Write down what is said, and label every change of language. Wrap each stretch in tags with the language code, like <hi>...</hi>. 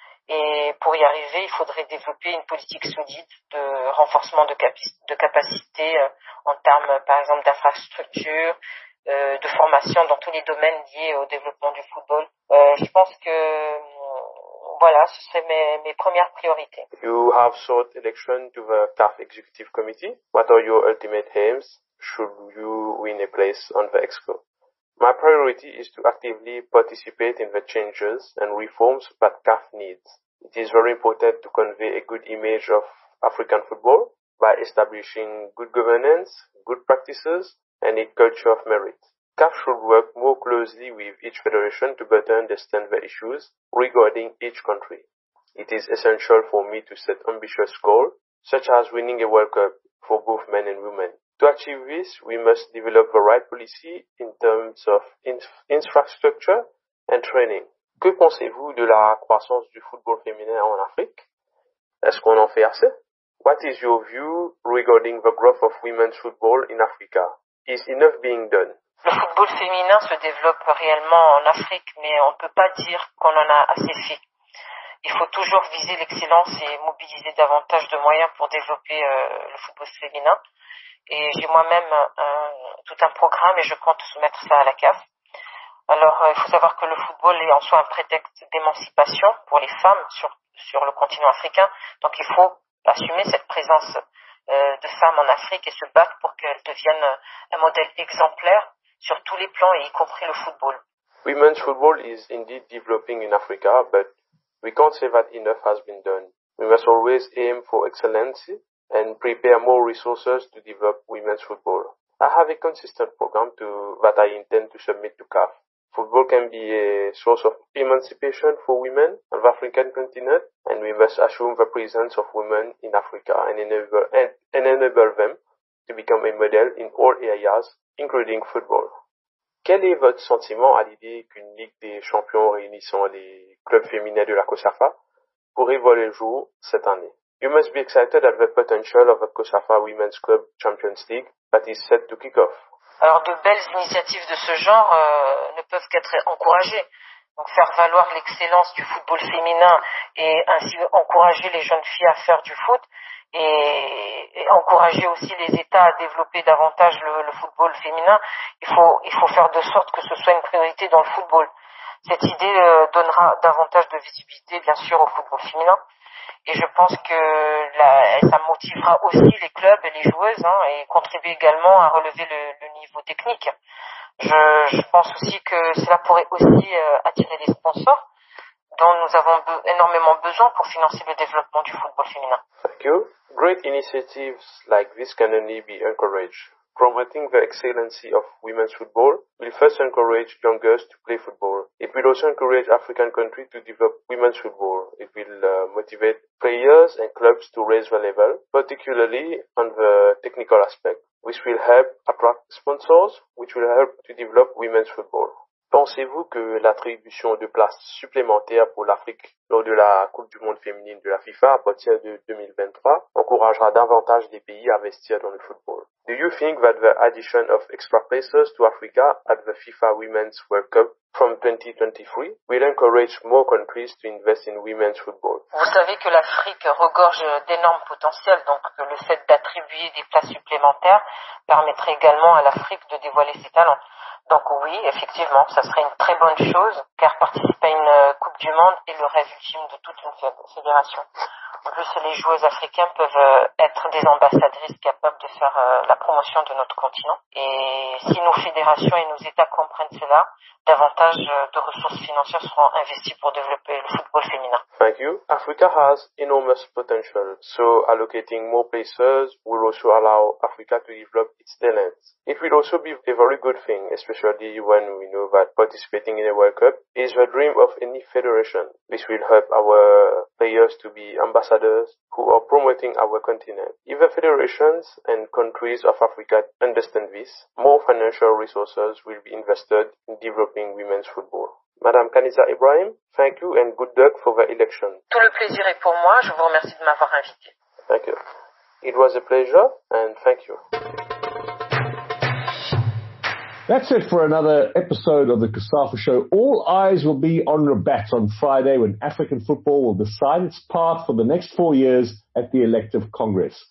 <fr>Et pour y arriver, il faudrait développer une politique solide de renforcement de capacités en termes, par exemple, d'infrastructures, de formation dans tous les domaines liés au développement du football. Je pense que voilà, ce serait mes premières priorités.</fr> <en>You have sought election to the CAF Executive Committee. What are your ultimate aims should you win a place on the Exco? My priority is to actively participate in the changes and reforms that CAF needs. It is very important to convey a good image of African football by establishing good governance, good practices, and a culture of merit. CAF should work more closely with each federation to better understand the issues regarding each country. It is essential for me to set ambitious goals, such as winning a World Cup for both men and women. To achieve this, we must develop the right policy in terms of infrastructure and training.</en> <fr>Que pensez-vous de la croissance du football féminin en Afrique? Est-ce qu'on en fait assez?</fr> <en>What is your view regarding the growth of women's football in Africa? Is enough being done?</en> <fr>Le football féminin se développe réellement en Afrique, mais on ne peut pas dire qu'on en a assez fait. Il faut toujours viser l'excellence et mobiliser davantage de moyens pour développer le football féminin. Et j'ai moi-même tout un programme et je compte soumettre ça à la CAF. Alors, il faut savoir que le football est en soi un prétexte d'émancipation pour les femmes sur le continent africain. Donc, il faut assumer cette présence de femmes en Afrique et se battre pour qu'elles deviennent un modèle exemplaire sur tous les plans, et y compris le football.</fr> <en>Women's football is indeed developing in Africa, but we can't say that enough has been done. We must always aim for excellence and prepare more resources to develop women's football. I have a consistent program that I intend to submit to CAF. Football can be a source of emancipation for women on the African continent, and we must assume the presence of women in Africa and enable them to become a model in all areas, including football.</en> <fr>Quel est votre sentiment à l'idée qu'une Ligue des champions réunissant les clubs féminins de la COSAFA pourrait voir le jour cette année?</fr> <en>You must be excited at the potential of the COSAFA Women's Club Champions League that is set to kick off.</en> <fr>Alors, de belles initiatives de ce genre ne peuvent qu'être encouragées. Donc, faire valoir l'excellence du football féminin et ainsi encourager les jeunes filles à faire du foot et encourager aussi les États à développer davantage le football féminin, il faut faire de sorte que ce soit une priorité dans le football. Cette idée donnera davantage de visibilité, bien sûr, au football féminin. Et je pense que ça motivera aussi les clubs et les joueuses hein, et contribue également à relever le niveau technique. Je pense aussi que cela pourrait aussi attirer des sponsors dont nous avons énormément besoin pour financer le développement du football féminin.</fr> <en>Thank you. Great initiatives like this can only be encouraged. Promoting the excellency of women's football will first encourage young girls to play football. It will also encourage African countries to develop women's football. It will motivate players and clubs to raise the level, particularly on the technical aspect, which will help attract sponsors, which will help to develop women's football.</en> <fr>Pensez-vous que l'attribution de places supplémentaires pour l'Afrique lors de la Coupe du Monde féminine de la FIFA à partir de 2023 encouragera davantage les pays à investir dans le football?</fr> <en>Do you think that the addition of extra places to Africa at the FIFA Women's World Cup from 2023 will encourage more countries to invest in women's football?</en> <fr>Vous savez que l'Afrique regorge d'énormes potentiels, donc le fait d'attribuer des places supplémentaires permettrait également à l'Afrique de dévoiler ses talents. Donc oui, effectivement, ça serait une très bonne chose, car participer à une Coupe du Monde est le rêve ultime de toute une fédération. En plus, les joueuses africaines peuvent être des ambassadrices capables de faire la promotion de notre continent. Et si nos fédérations et nos États comprennent cela, davantage de ressources financières seront investies pour développer le football féminin.</fr> <en>Thank you. Africa has enormous potential, so allocating more places will also allow Africa to develop its talents. It will also be a very good thing, especially when we know that participating in a World Cup is the dream of any federation. This will help our players to be ambassadors who are promoting our continent. If the federations and countries of Africa understand this, more financial resources will be invested in developing women's football. Madame Kaniza Ibrahim, thank you and good luck for the election.</en> <fr>Tout le plaisir est pour moi. Je vous remercie de m'avoir invité.</fr> <en>Thank you. It was a pleasure and thank you. That's it for another episode of the COSAFA Show. All eyes will be on Rabat on Friday when African football will decide its path for the next 4 years at the elective Congress.</en>